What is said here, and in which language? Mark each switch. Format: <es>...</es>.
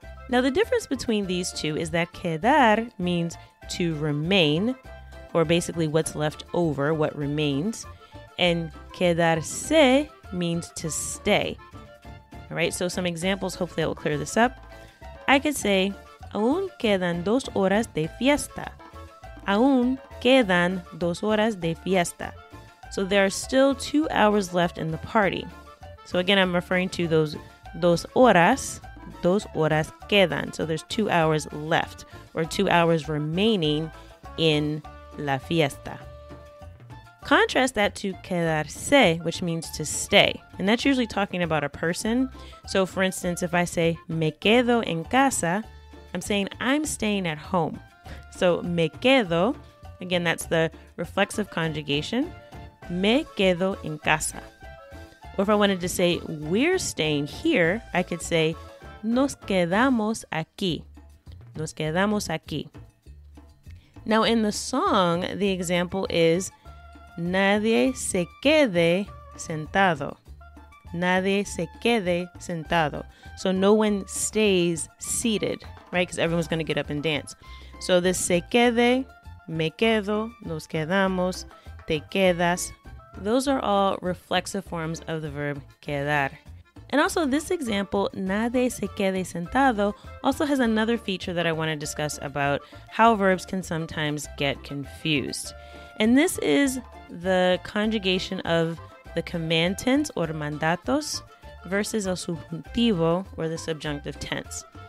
<en>Now the difference between these two is that quedar means to remain, or basically what's left over, what remains, and quedarse means to stay. All right, so some examples, hopefully that will clear this up. I could say,</en> <es>aún quedan dos horas de fiesta. Aún quedan dos horas de fiesta.</es> <en>So there are still 2 hours left in the party. So again, I'm referring to those</en> <es>dos horas quedan.</es> <en>So there's 2 hours left or 2 hours remaining in la fiesta. Contrast that to quedarse, which means to stay. And that's usually talking about a person. So for instance, if I say</en> <es>me quedo en casa,</es> <en>I'm saying I'm staying at home. So me quedo, again, that's the reflexive conjugation. Me quedo en casa. Or if I wanted to say we're staying here, I could say</en> <es>nos quedamos aquí. Nos quedamos aquí.</es> <en>Now in the song, the example is</en> <es>nadie se quede sentado. Nadie se quede sentado.</es> <en>So no one stays seated, right? Because everyone's going to get up and dance. So the se quede, me quedo, nos quedamos, te quedas. Those are all reflexive forms of the verb quedar. And also this example,</en> <es>nadie se quede sentado,</es> <en>also has another feature that I want to discuss about how verbs can sometimes get confused. And this is the conjugation of the command tense or mandatos versus el subjuntivo or the subjunctive tense.</en>